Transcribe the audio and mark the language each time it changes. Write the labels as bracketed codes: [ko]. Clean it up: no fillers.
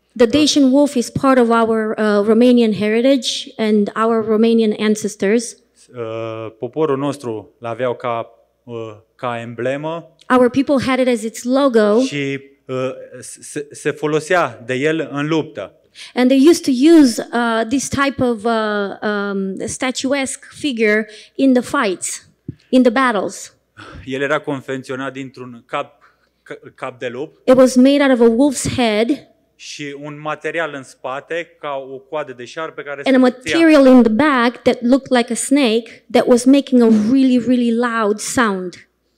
[en] The Dacian wolf is part of our Romanian heritage and our Romanian ancestors. [ro] Poporul nostru l-aveau ca emblemă. [en] Our people had it as its logo. [ro] Și se folosea de el în luptă. [en] And they used to use this type of statuesque figure in the fights, in the battles. [ro] El era confecționat dintr-un cap de lup. [en] It was made out of a wolf's head. [ro] Și un material în spate ca o coadă de șarpe care [en] se. And a material in the back that looked like a snake that was making a really, really loud sound.